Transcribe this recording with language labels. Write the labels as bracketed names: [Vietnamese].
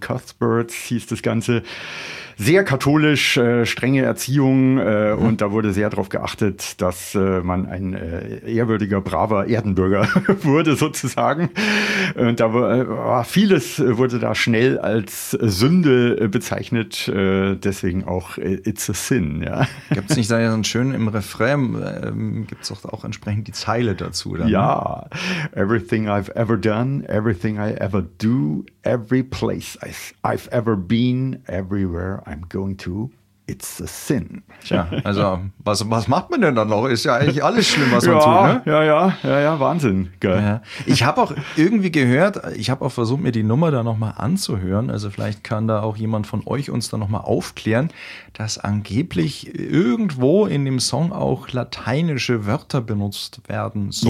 [German] Cuthbert's hieß das Ganze. Sehr katholisch, strenge Erziehung und da wurde sehr darauf geachtet, dass man ein ehrwürdiger, braver Erdenbürger wurde sozusagen. Und da war vieles, wurde da schnell als Sünde bezeichnet, deswegen auch It's a Sin. Ja. Gibt es nicht da so einen schönen, im Refrain gibt es auch entsprechend die Zeile dazu? Dann, ja, ne? [English] Everything I've ever done, everything I ever do, every place I've ever been, everywhere I'm going to, it's a sin. [German] Tja, also was macht man denn dann noch? Ist ja eigentlich alles schlimm, was man tut, ne? Ja, Wahnsinn. Geil. Ja. Ich habe auch irgendwie gehört, ich habe auch versucht, mir die Nummer da nochmal anzuhören. Also vielleicht kann da auch jemand von euch uns da nochmal aufklären, dass angeblich irgendwo in dem Song auch lateinische Wörter benutzt werden sollen.